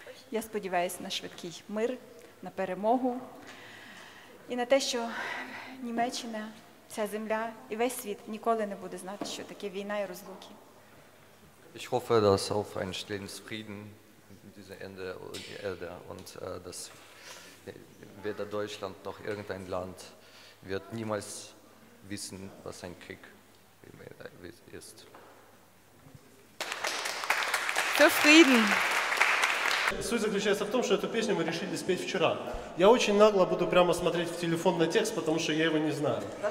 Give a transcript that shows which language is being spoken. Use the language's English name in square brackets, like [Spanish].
[Ukrainian] Я сподіваюся на швидкий мир, на перемогу і на те, що Німеччина, ця земля і весь світ ніколи не буде знати, що таке війна і розлуки. [German] Ich hoffe, dass auf einen stillen Frieden in dieser Erde und die Erde und dass weder Deutschland noch irgendein Land wird niemals wissen, was ein Krieg ist. Für Frieden. [Ukrainian] Суть заключається в тому, що цю пісню ми вирішили спіти вчора. Я дуже нагло буду прямо смотреть в телефон на текст, тому що я його не знаю.